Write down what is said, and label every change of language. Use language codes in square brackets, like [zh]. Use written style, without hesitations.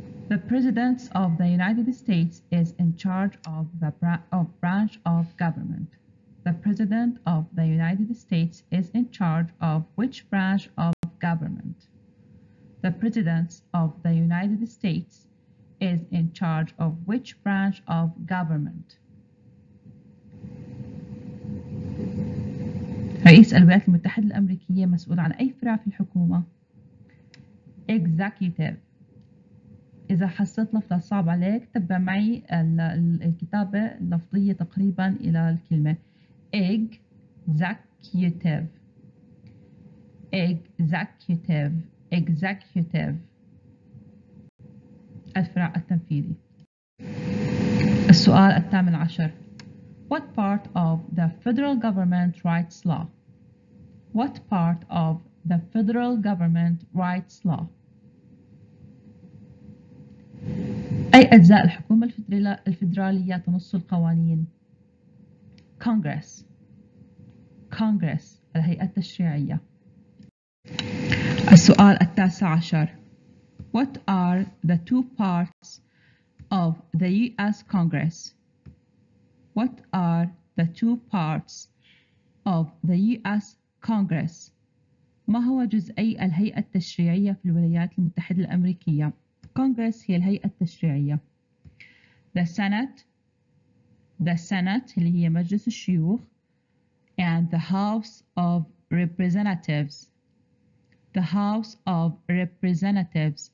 [en] The President of the United States is in charge of the branch of government. The President of the United States is in charge of which branch of government? government. The President of the United States is in charge of which branch of government? [ar] رئيس الولايات المتحدة الأمريكية مسؤول عن أي فرع في الحكومة؟ [en] Executive. [ar] إذا حسيت لفظة صعب عليك تبع معي الكتابة اللفظية تقريبا إلى الكلمة Executive. [en] Executive. Executive. [ar] الفرع التنفيذي. السؤال الثامن عشر. [en] What part of the federal government writes law? What part of the federal government writes law? [ar] أي أجزاء الحكومة الفيدرالية تنص القوانين؟ Congress. Congress. الهيئة التشريعية. السؤال التاسع عشر. [en] What are the two parts of the US Congress? What are the two parts of the US Congress? [ar] ما هو جزئي الهيئة التشريعية في الولايات المتحدة الأمريكية؟ Congress هي الهيئة التشريعية. [en] The Senate. The Senate [ar] اللي هي مجلس الشيوخ. [en] And the House of Representatives. The House of Representatives.